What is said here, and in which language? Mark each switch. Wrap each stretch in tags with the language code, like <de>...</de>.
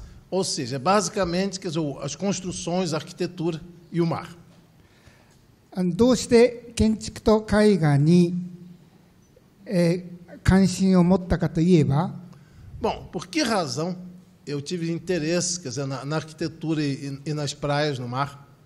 <pt>Ou seja, basicamente, quer dizer, as construções, a arquitetura e o mar.</pt> <ja>どうして建築と絵画に関心を持ったかといえば.</ja> <pt>Bom, por que razão eu tive interesse, quer dizer, na arquitetura e nas praias, no mar?</pt>